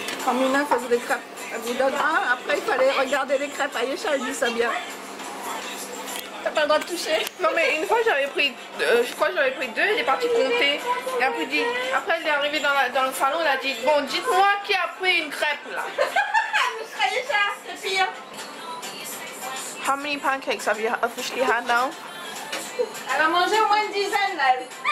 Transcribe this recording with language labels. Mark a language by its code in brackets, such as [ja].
[fr] Quand Mina faisait des crêpes, elle vous donne un, après il fallait regarder les crêpes. Aïe, ça, elle dit ça bien. T'as pas le droit de toucher. Non, mais une fois j'avais pris, je crois que j'avais pris deux, elle est partie compter. Et après, dit, après elle est arrivée dans le salon, elle a dit: bon, dites-moi qui a pris une crêpe là. Mushka, aïe, ça, c'est pire. [en] How many pancakes have you officially had now? [fr] Elle a mangé au moins une dizaine, elle.